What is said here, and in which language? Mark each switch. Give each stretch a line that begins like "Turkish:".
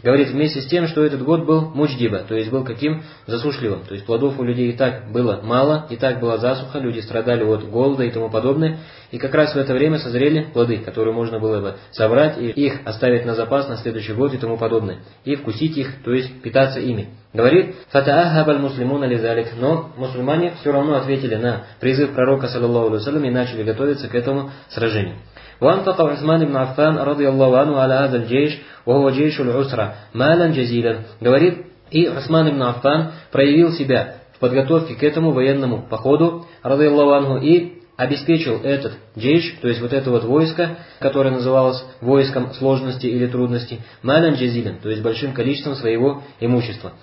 Russian: Говорит, вместе с тем, что этот год был мучдиба, то есть был каким? Засушливым. То есть плодов у людей и так было мало, и так была засуха, люди страдали от голода и тому подобное. И как раз в это время созрели плоды, которые можно было бы собрать и их оставить на запас на следующий год и тому подобное. И вкусить их, то есть питаться ими.
Arabic: Говорит, فَتَأَهَّبَ الْمُسْلِمُونَ لِذَلِكَ.
Russian: Но мусульмане все равно ответили на призыв пророка, саллаллаху алейхи ва саллям, и начали готовиться к этому сражению.
Arabic: وانطلق عثمان بن عفان رضي الله عنه على هذا الجيش وهو جيش العسرة مالا جزيلا.
Russian: Говорит, и Усман ибн Аффан проявил себя в подготовке к этому военному походу,
Arabic: رضي الله عنه,
Russian: и обеспечил этот джейш, то есть вот это вот войско, которое называлось войском сложности или трудности,
Arabic: малян джазилин,
Russian: то есть большим количеством своего имущества.